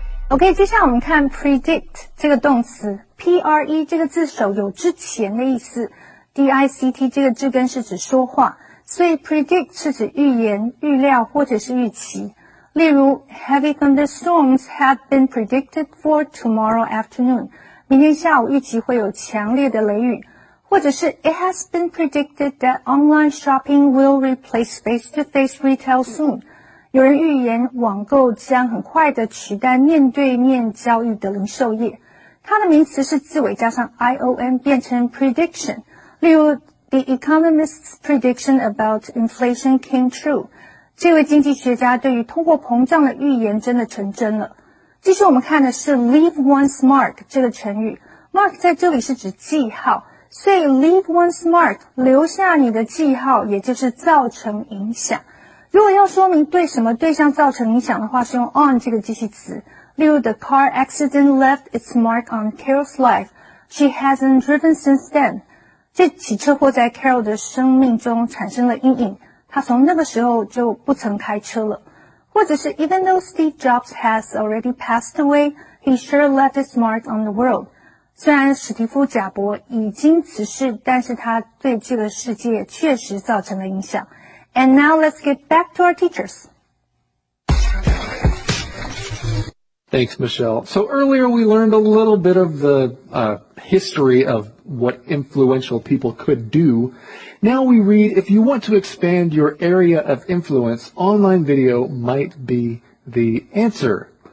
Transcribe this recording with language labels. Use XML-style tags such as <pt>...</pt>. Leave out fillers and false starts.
<zh>OK, 接下来我们看 predict 这个动词 ,pre 这个字首有之前的意思。 D-I-C-T 这个字根是指说话，所以 predict 是指预言、预料或者是预期。例如</zh> <en>,heavy thunderstorms have been predicted for tomorrow afternoon.</en> <zh>明天下午预期会有强烈的雷雨。或者是</zh> <en>,it has been predicted that online shopping will replace face-to-face retail soon.</en> <zh>有人预言网购将很快的取代面对面交易的零售业。它的名词是字尾加上 ion 变成 prediction。例如</zh> <en>The Economist's prediction about inflation came true.</en> <zh>这位经济学家对于通货膨胀的预言真的成真了。继续我们看的是 leave one's mark 这个成语。Mark 在这里是指记号，所以 leave one's mark 留下你的记号，也就是造成影响。如果要说明对什么对象造成影响的话，是用 on 这个继续词。例如</zh> <en>The car accident left its mark on Carol's life. She hasn't driven since then.</en> <zh>这起车祸在 Carol 的生命中产生了阴影，他从那个时候就不曾开车了。或者是</zh> <en>Even though Steve Jobs has already passed away, he sure left his mark on the world.</en> <zh>虽然史蒂夫·贾伯已经辞世，但是他对这个世界确实造成了影响。</zh> <en>And now let's get back to our teachers. Thanks, Michelle. So earlier we learned a little bit of the history of what influential people could do. Now we read, if you want to expand your area of influence, online video might be the answer.</en>